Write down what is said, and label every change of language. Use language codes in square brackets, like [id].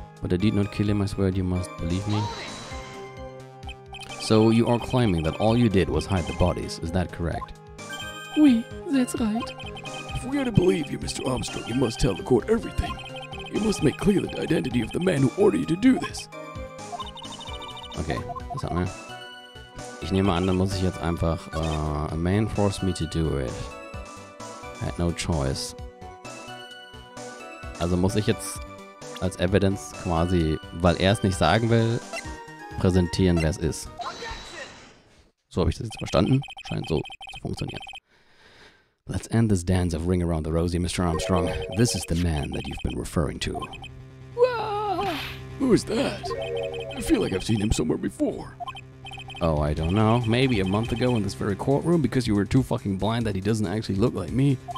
[en] But I did not kill him, I swear, you must believe me. So, you are claiming that all you did was hide the bodies, is that correct? Oui, that's right. If we are to believe you, Mr. Armstrong, you must tell the court everything. You must make clear the identity of the man who ordered you to do this. [de] Okay, was hat man? Ich nehme an, dann muss ich jetzt einfach, [en] a man forced me to do it. I had no choice. [de] Also muss ich jetzt als Evidence quasi, weil er es nicht sagen will, präsentieren, wer es ist. So habe ich das jetzt verstanden. Scheint so zu funktionieren. [en] Let's end this dance of ring around the rosy, Mr. Armstrong. This is the man that you've been referring to. Who is that? I feel like I've seen him somewhere before. Oh, I don't know. Maybe a month ago in this very courtroom because you were too fucking blind that he doesn't actually look like me.